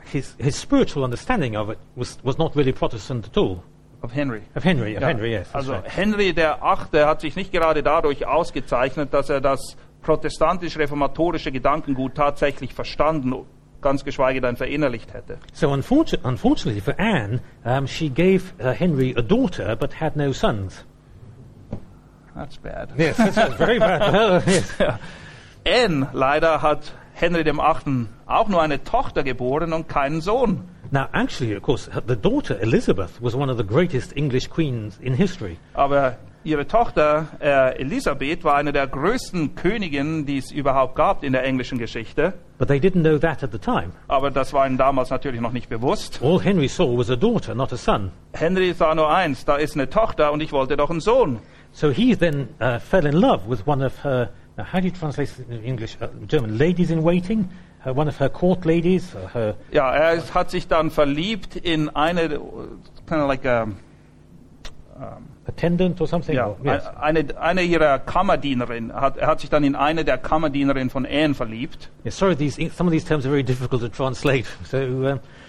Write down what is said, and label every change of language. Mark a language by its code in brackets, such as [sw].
[en] His spiritual understanding of it was not really Protestant at all. Of Henry, yes. Also right. Henry der VIII. [de] Hat sich nicht gerade dadurch ausgezeichnet, dass er das protestantisch-reformatorische Gedankengut tatsächlich verstanden, ganz geschweige denn verinnerlicht hätte. [en] So unfortunately for Anne, she gave Henry a daughter, but had no sons. That's bad. Yes, that's very bad. [de] Anne, leider hat Henry dem VIII. Auch nur eine Tochter geboren und keinen Sohn. [en] Now, actually, of course, the daughter Elizabeth was one of the greatest English queens in history. [de] Aber ihre Tochter Elisabeth war eine der größten Königinnen, die es überhaupt gab in der englischen Geschichte. [en] But they didn't know that at the time. [de] Aber das war ihnen damals natürlich noch nicht bewusst. [en] All Henry saw was a daughter, not a son. [de] Henry sah nur eins, da ist eine Tochter und ich wollte doch einen Sohn. [en] So he then fell in love with one of her, how do you translate it in English, German, ladies-in-waiting, one of her court ladies. Her. [de] Ja, er hat sich dann verliebt in eine, [en] kind of like attendant or something? [de] Ja, [en] or, yes. [de] eine ihrer Kammerdienerin, er hat sich dann in eine der Kammerdienerin von Anne verliebt. [en] Yeah, sorry, some of these terms are very difficult to translate, so...